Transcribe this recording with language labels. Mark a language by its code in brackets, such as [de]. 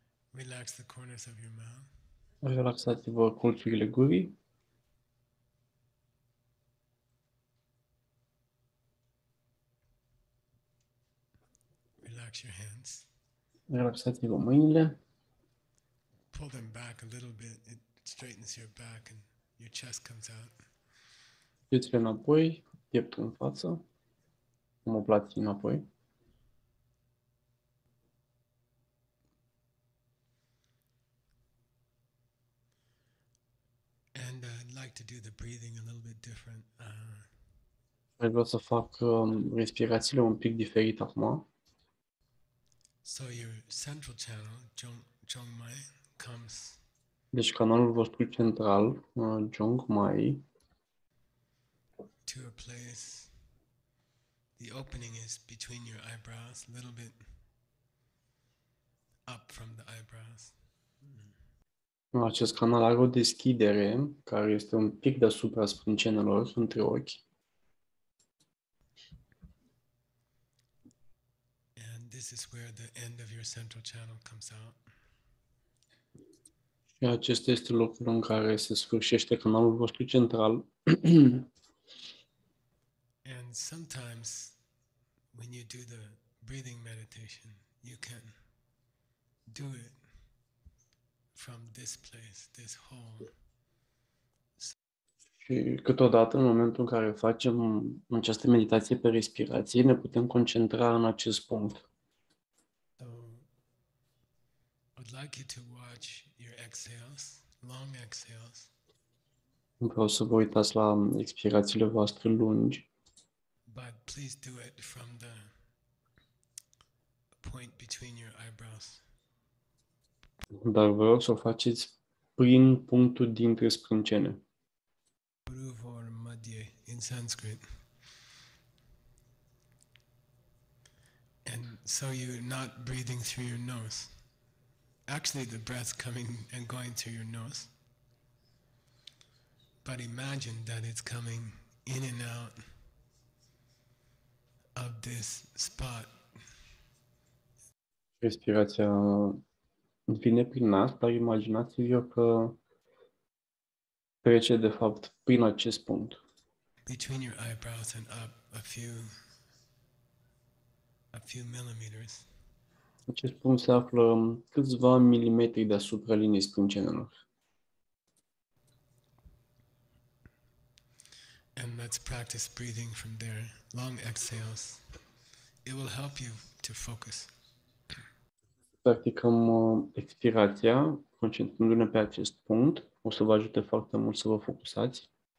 [en] Relax the corners of your mouth. [ro] Relaxați-vă colțurile gurii. [en] Relax your hands. [ro] Relaxați-vă mâinile. [en] Pull them back a little bit. It straightens your back and your chest comes out. [ro] Puteți-le înapoi, pieptul în față. Omoplații înapoi. [en] And I'd like to do the breathing a little bit different. [ro] Vreau să fac respirațiile un pic diferit acum. [en] So your central channel, Jiong Mai, comes. [ro] Deci canalul vostru central, Jiong Mai. [en] To a place. The opening is between your eyebrows, a little bit up from the eyebrows. [ro] Acest canal are o deschidere care este un pic deasupra sprâncenelor între ochi. [en] And this is where the end of your central channel comes out. [ro] Și acesta este locul în care se sfârșește canalul vostru central. [en] And sometimes when you do the breathing meditation, you can do it from this place, this hole. [ro] Și câteodată, în momentul în care facem această meditație pe respirație, ne putem concentra în acest punct. [en] So, I'd like you to watch your exhales, long exhales. [ro] Vreau să vă uitați la expirațiile voastre lungi. [en] But please do it from the point between your eyebrows. [ro] Dar vreau să o faceți prin punctul dintre sprâncene. [en] Guru or Madhya in Sanskrit. And so you're not breathing through your nose. Actually, the breath coming and going through your nose. But imagine that it's coming in and out of this spot. [ro] Respirația vine prin nas, dar imaginați-vă că trece de fapt prin acest punct. [en] Between your eyebrows and up a few millimeters. [ro] Acest punct se află câțiva milimetri deasupra liniei sprâncenelor. [en] And let's practice breathing from there. Long exhales. It will help you to focus. [ro] Practicăm expirația, concentrându-ne pe acest punct. O să vă ajute foarte mult să vă focusați.